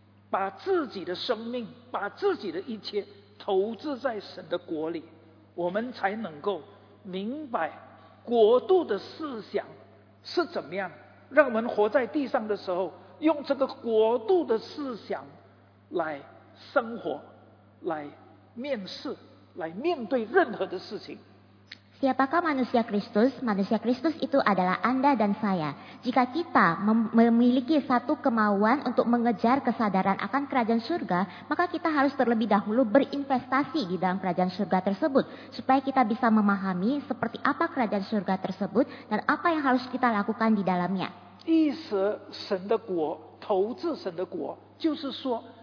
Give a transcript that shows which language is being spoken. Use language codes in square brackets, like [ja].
[zh] 把自己的生命，把自己的一切投资在神的国里，我们才能够明白国度的思想是怎么样，让我们活在地上的时候，用这个国度的思想来生活，来 面试，来面对任何的事情。 [id] Siapakah manusia Kristus? Manusia Kristus itu adalah Anda dan saya. Jika kita memiliki satu kemauan untuk mengejar kesadaran akan kerajaan surga, maka kita harus terlebih dahulu berinvestasi di dalam kerajaan surga tersebut, supaya kita bisa memahami seperti apa kerajaan surga tersebut dan apa yang harus kita lakukan di dalamnya. [zh] 意识神的国，投资神的国，就是说。